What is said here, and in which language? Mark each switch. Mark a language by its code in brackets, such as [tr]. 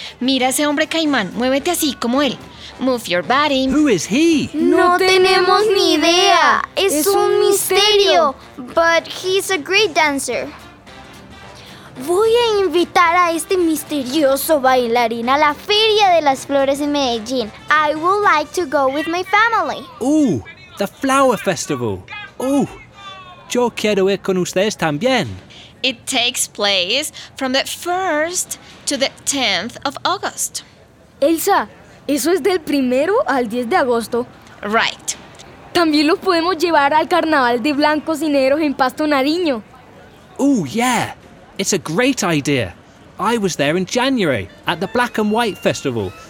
[es] Mira a ese hombre caimán. Muévete así, como él. [en] Move your body. Who is he? [es] No tenemos ni idea. Es un misterio. [en] But he's a great dancer. [es] Voy a invitar a este misterioso bailarín a la Feria de las Flores en Medellín. [en] I would like to go with my family. Ooh, the Flower Festival. [es] Ooh, yo quiero ir con ustedes también. [en] It takes place from the 1st to the 10th of August. [es] Elsa, eso es del 1 al 10 de agosto. [en] Right. [es] También los podemos llevar al Carnaval de Blancos y Negros en Pasto Nariño. [en] Ooh, yeah. It's a great idea. I was there in January at the Black and White Festival.